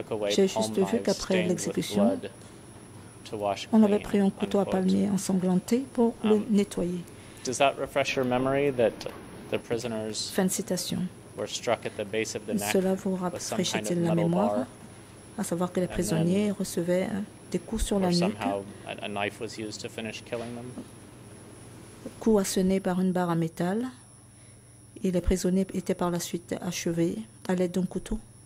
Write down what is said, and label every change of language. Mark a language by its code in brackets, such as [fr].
[fr] J'ai juste vu qu'après l'exécution, on avait pris un couteau à palmier ensanglanté pour le nettoyer. [en] Does that refresh your memory that the prisoners [fr] fin de citation. [en] Were struck at the base of the neck. [fr] Cela vous rafraîchit-il la mémoire, à savoir que les prisonniers recevaient des coups sur la nuque, [en] a knife was used to finish killing them. [fr] Coups assenés par une barre à métal, et les prisonniers étaient par la suite achevés à l'aide d'un couteau.